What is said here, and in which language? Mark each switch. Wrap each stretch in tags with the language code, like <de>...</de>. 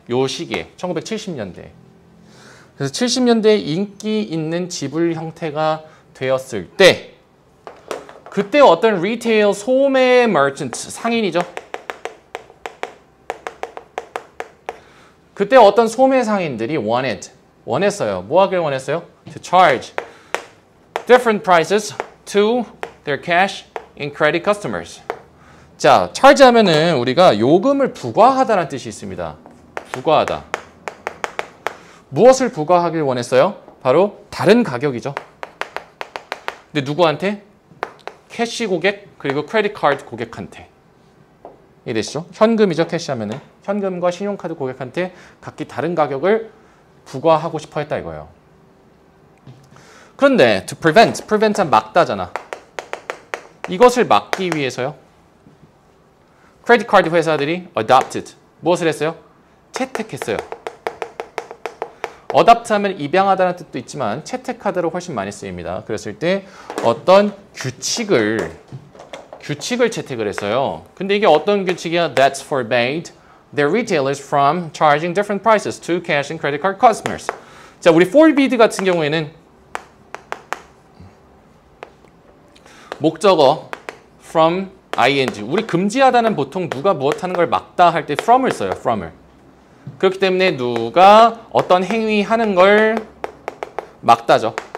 <ko>요 시기에 1970년대. 그래서 70년대에 인기 있는 지불 형태가 되었을 때, 그때 어떤 리테일 소매 merchant 상인이죠. 그때 어떤 소매 상인들이 원했어요. 뭐 하길 원했어요?</ko> <en>To charge different prices to their cash and credit customers.</en> <ko>자, charge 하면은 우리가 요금을 부과하다라는 뜻이 있습니다. 부과하다. 무엇을 부과하길 원했어요? 바로 다른 가격이죠. 근데 누구한테? 캐시 고객, 그리고 크레딧 카드 고객한테. 이해되시죠? 현금이죠, 캐시 하면은. 현금과 신용카드 고객한테 각기 다른 가격을 부과하고 싶어 했다 이거예요. 그런데</ko> <en>to prevent,</en> <ko>prevent은 막다잖아. 이것을 막기 위해서요. 크레딧 카드 회사들이 adopted, 무엇을 했어요? 채택했어요. Adopt 하면 입양하다는 뜻도 있지만 채택하다로 훨씬 많이 쓰입니다. 그랬을 때 어떤 규칙을 채택을 했어요. 근데 이게 어떤 규칙이야?</ko> <en>That's forbade their retailers from charging different prices to cash and credit card customers.</en> <ko>자, 우리 forbid 같은 경우에는 목적어 from ing. 우리 금지하다는 보통 누가 무엇 하는 걸 막다 할때 from을 써요. from을. 그렇기 때문에 누가 어떤 행위 하는 걸 막다죠.</ko>